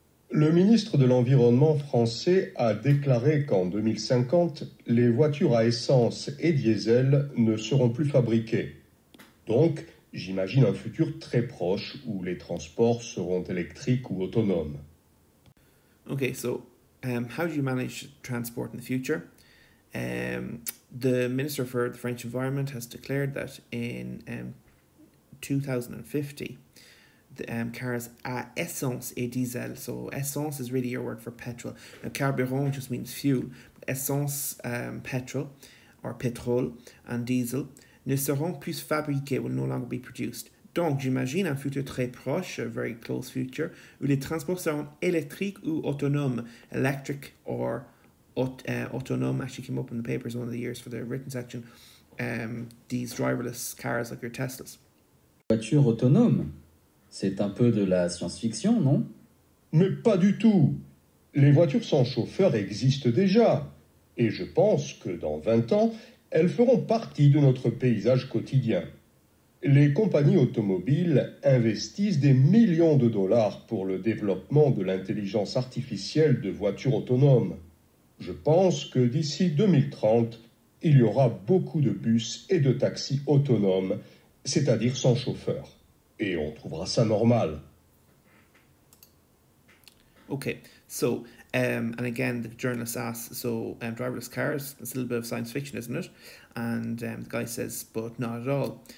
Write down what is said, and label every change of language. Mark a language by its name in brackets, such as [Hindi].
[French] Le ministre de l'Environnement français a déclaré qu'en 2050, les voitures à essence et diesel ne seront plus fabriquées. Donc, j'imagine un futur très proche où les transports seront électriques ou autonomes. [English] Ok, so, how do you manage transport in the future? The minister for the French Environment has declared that in 2050... cars [French] à essence et diesel. [English] So essence is really your word for petrol. Now, carburant just means fuel. Essence, petrol, or pétrole, and diesel, [French] ne seront plus fabriqués, [English] will no longer be produced. [French] Donc, j'imagine un futur très proche, [English] a very close future, [French] où les transports seront électriques ou autonomes. [English] Electric or autonome actually came up in the papers one of the years for the written section. These driverless cars like your Teslas. [French] Voiture autonome? C'est un peu de la science-fiction, non? Mais pas du tout. Les voitures sans chauffeur existent déjà. Et je pense que dans 20 ans, elles feront partie de notre paysage quotidien. Les compagnies automobiles investissent des millions de dollars pour le développement de l'intelligence artificielle de voitures autonomes. Je pense que d'ici 2030, il y aura beaucoup de bus et de taxis autonomes, c'est-à-dire sans chauffeur. Et on trouvera ça normal. [English] Okay, so, and again, the journalist asks, so driverless cars, it's a little bit of science fiction, isn't it? And the guy says, but not at all.